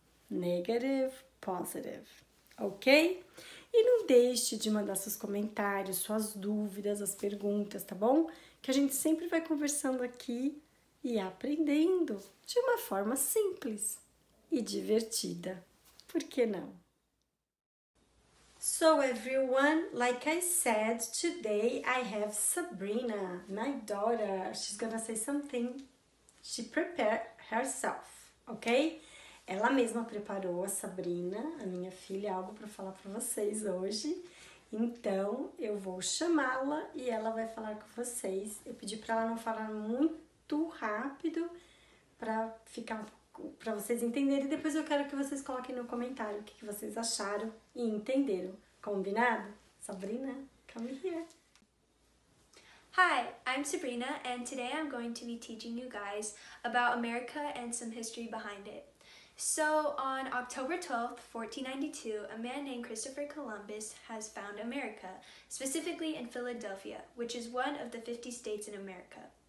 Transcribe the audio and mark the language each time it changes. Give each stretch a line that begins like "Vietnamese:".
English: Negative, positive. Ok?
Portuguese: E não deixe de mandar seus comentários, suas dúvidas, as perguntas, tá bom? Que a gente sempre vai conversando aqui e aprendendo de uma forma simples e divertida. Por que não?
English: So, everyone, like I said, today I have Sabrina, my daughter. She's gonna say something. She prepared herself, ok?
Portuguese: Ela mesma preparou a Sabrina, a minha filha, algo para falar para vocês hoje. Então, eu vou chamá-la e ela vai falar com vocês. Eu pedi para ela não falar muito rápido para ficar para vocês entenderem. Depois eu quero que vocês coloquem no comentário o que vocês acharam e entenderam. Combinado?
English: Sabrina, come here. Hi, I'm Sabrina, and today I'm going to be teaching you guys about America and some history behind it. So, on October 12th, 1492, a man named Christopher Columbus has found America, specifically in Philadelphia, which is one of the 50 states in America.